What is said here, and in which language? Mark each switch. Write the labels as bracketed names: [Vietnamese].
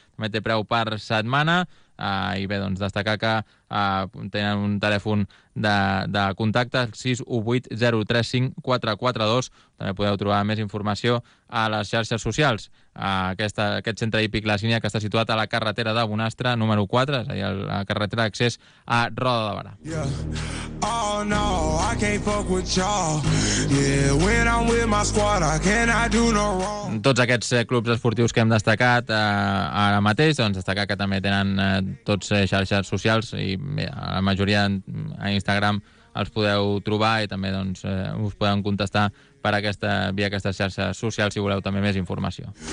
[Catalan] També té preu per setmana. I bé, doncs, destacar que tenen un telèfon de contacte, 618-035-442. També podeu trobar més informació a les xarxes socials. Aquest centre hípic La Sínia, que està situat a la carretera de Bonastre, número 4, és a dir, la carretera d'accés a Roda de Barà. [English] Yeah. Oh no, I can't fuck with y'all. Yeah, when I'm with my squad, I cannot do no wrong. [Catalan] Tots aquests clubs esportius que hem destacat ara mateix, doncs destacar que també tenen tots xarxes socials, i bé, la majoria a Instagram els podeu trobar, i també, doncs, us podem contestar per aquesta via, aquesta xarxa social, si voleu també més informació.